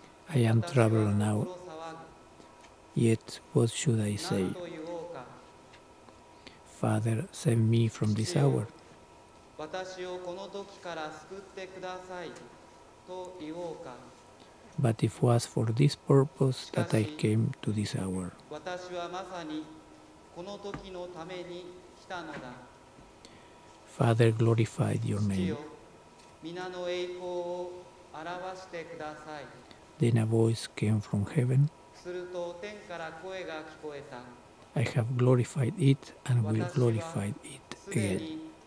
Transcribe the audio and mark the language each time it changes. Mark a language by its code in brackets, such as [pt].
[en] I am troubled now, yet what should I say? Father, save me from this hour. [ja] 私をこの時から救ってくださいと言おうか。 [en] But it was for this purpose that I came to this hour. [ja] 私はまさにこの時のために来たのだ。 [en] Father, glorify your name. [ja] 皆の栄光を表してください。 [en] Then a voice came from heaven. [ja] すると天から声が聞こえた。 [en] I have glorified it and will glorify it again.